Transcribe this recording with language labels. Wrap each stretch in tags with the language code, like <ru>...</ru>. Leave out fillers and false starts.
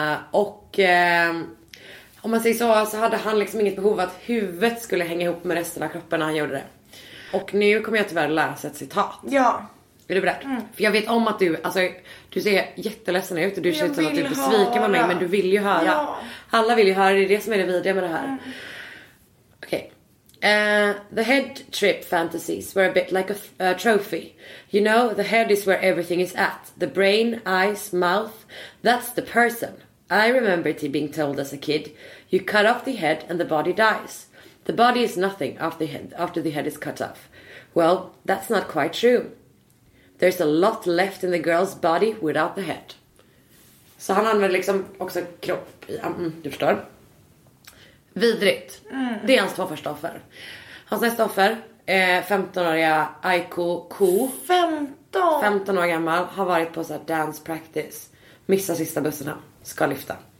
<sv>Och om man säger så hade han liksom inget behov att huvudet skulle hänga ihop med resten av kroppen när han gjorde det. Och nu kommer jag tyvärr läsa ett citat. Ja. Är du beredd? För jag vet om att du, alltså, du ser jätteledsen ut och du ser ut som att du besviker med mig, men du vill ju höra. Ja. Alla vill ju höra, det är det som är det vidriga med det här. Okej.</sv> <en>The head trip fantasies were a bit like a trophy. You know, the head is where everything is at. The brain, eyes, mouth, that's the person. I remember it being told as a kid. You cut off the head and the body dies. The body is nothing after the head is cut off. Well, that's not quite true. There's a lot left in the girl's body without the head.</en> <sv>Så han använder liksom också kropp. Ja, du förstår. Vidrigt. Mm. Det är hans två första offer. Hans nästa offer är 15-åriga Aiko Ko. 15 år gammal. Har varit på så här</sv> <en>dance practice.</en> <sv>Missar sista bussen här. Ska lyfta.</sv>